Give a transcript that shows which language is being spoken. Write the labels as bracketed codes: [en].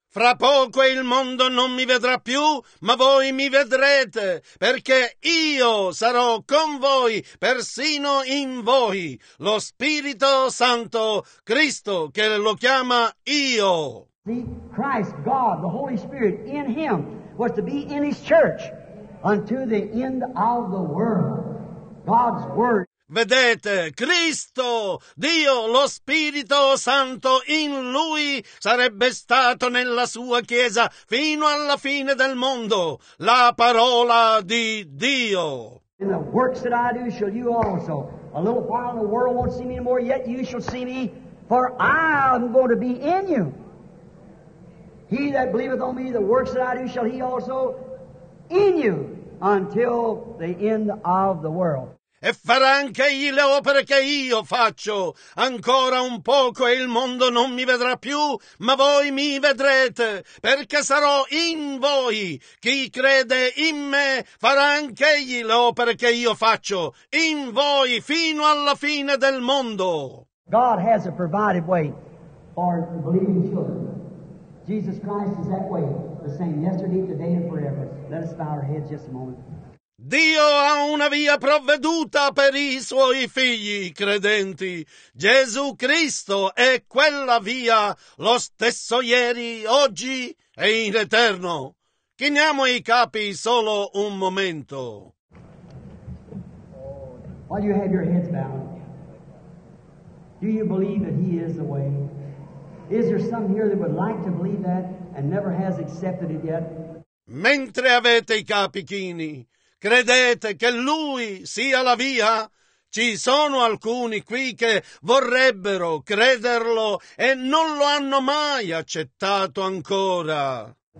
[it] Fra poco il mondo non mi vedrà più, ma voi mi vedrete, perché io sarò con voi, persino in voi, lo Spirito Santo, Cristo, che lo chiama io. [en] See, Christ, God, the Holy Spirit, in him, was to be in his church, unto the end of the world. God's word. [it] Vedete, Cristo, Dio, lo Spirito Santo in Lui sarebbe stato nella sua Chiesa fino alla fine del mondo, la parola di Dio. [en] In the works that I do shall you also. A little while the world won't see me anymore, yet you shall see me, for I am going to be in you. He that believeth on me, the works that I do shall he also in you until the end of the world. [it] E farà anche egli le opere che io faccio. Ancora un poco e il mondo non mi vedrà più, ma voi mi vedrete, perché sarò in voi. Chi crede in me farà anche egli le opere che io faccio, in voi fino alla fine del mondo. [en] God has a provided way for believing children. Jesus Christ is that way, the same yesterday, today and forever. Let us bow our heads just a moment. [it] Dio ha una via provveduta per i suoi figli credenti. Gesù Cristo è quella via, lo stesso ieri, oggi e in eterno. Chiniamo i capi solo un momento. [en] While you have your heads bowed, do you believe that he is the way? Is there some here that would like to believe that and never has accepted it yet? [it] Mentre avete i capi chini, credete che Lui sia la via? Ci sono alcuni qui che vorrebbero crederlo e non lo hanno mai accettato ancora.